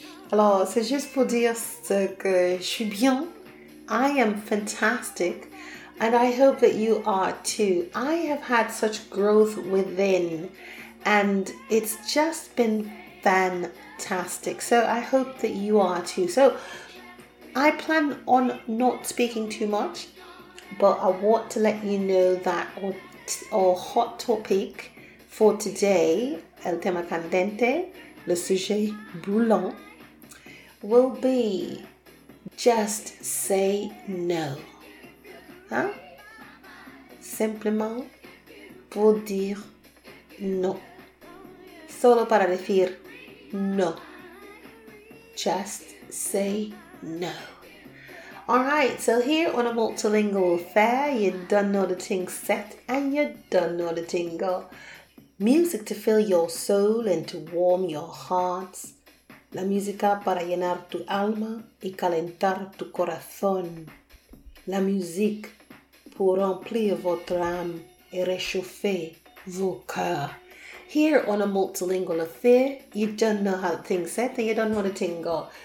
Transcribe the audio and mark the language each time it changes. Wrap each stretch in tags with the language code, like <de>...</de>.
<fr>Alors, c'est juste pour dire que je suis bien.</fr> <en>I am fantastic. And I hope that you are too. I have had such growth within, and it's just been fantastic. So I hope that you are too. So I plan on not speaking too much, but I want to let you know that our hot topic for today,</en> <es>el tema candente,</es> <fr>le sujet brûlant,</fr> <en>will be just say no.</en> <fr>Hein? Simplement pour dire no.</fr> <es>Solo para decir no. Just say no.</es> <en>Alright, so here on a multilingual affair, you done know the thing set and you done know the thing go. Music to fill your soul and to warm your hearts.</en> <es>La música para llenar tu alma y calentar tu corazón.</es> <fr>La musique pour remplir votre âme et réchauffer vos cœurs.</fr> <en>Here on a multilingual affair, you don't know how things set and you don't know the thing go.</en>